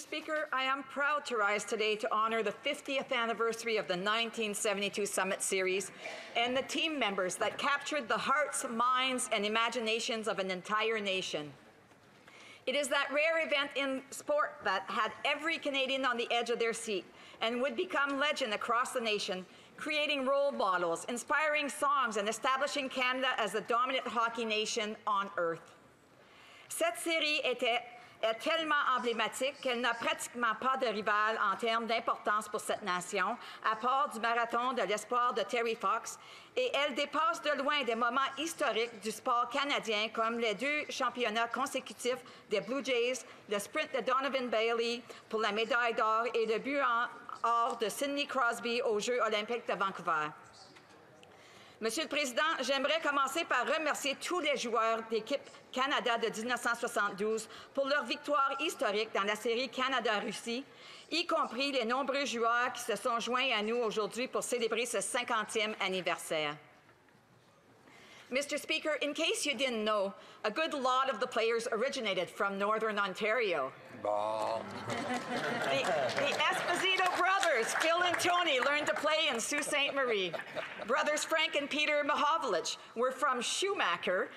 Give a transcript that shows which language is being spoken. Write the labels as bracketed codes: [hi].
[en] Speaker, I am proud to rise today to honor the 50th anniversary of the 1972 Summit Series and the team members that captured the hearts, minds, and imaginations of an entire nation. It is that rare event in sport that had every Canadian on the edge of their seat and would become legend across the nation, creating role models, inspiring songs, and establishing Canada as the dominant hockey nation on earth. [fr] Cette série était est tellement emblématique qu'elle n'a pratiquement pas de rival en termes d'importance pour cette nation, à part du marathon de l'espoir de Terry Fox, et elle dépasse de loin des moments historiques du sport canadien comme les deux championnats consécutifs des Blue Jays, le sprint de Donovan Bailey pour la médaille d'or et le but en or de Sidney Crosby aux Jeux olympiques de Vancouver. Monsieur le Président, j'aimerais commencer par remercier tous les joueurs d'équipe Canada de 1972 pour leur victoire historique dans la série Canada-Russie, y compris les nombreux joueurs qui se sont joints à nous aujourd'hui pour célébrer ce 50e anniversaire. [en] Mr. Speaker, in case you didn't know, a good lot of the players originated from Northern Ontario. The Esposito brothers, Phil and Tony, learned to play in Sault Ste. Marie. Brothers Frank and Peter Mihovlich were from Schumacher.